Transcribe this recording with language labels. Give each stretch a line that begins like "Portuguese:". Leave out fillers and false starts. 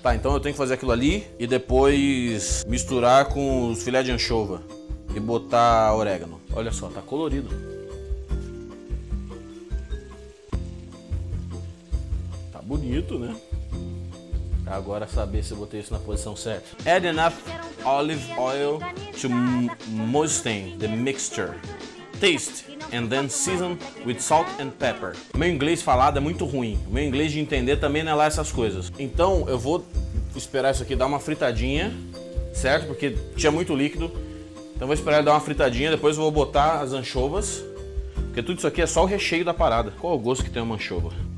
Portuguese: Tá, então eu tenho que fazer aquilo ali e depois misturar com os filé de anchova e botar orégano. Olha só, tá colorido. Tá bonito, né? Pra agora saber se eu botei isso na posição certa.
English: Add enough olive oil to moisten the mixture. Taste and then season with salt and pepper.
Portuguese: Meu inglês falado é muito ruim. Meu inglês de entender também não é lá essas coisas. Então eu vou esperar isso aqui dar uma fritadinha, certo? Porque tinha muito líquido. Então vou esperar ele dar uma fritadinha, depois eu vou botar as anchovas. Porque tudo isso aqui é só o recheio da parada. Qual é o gosto que tem uma anchova?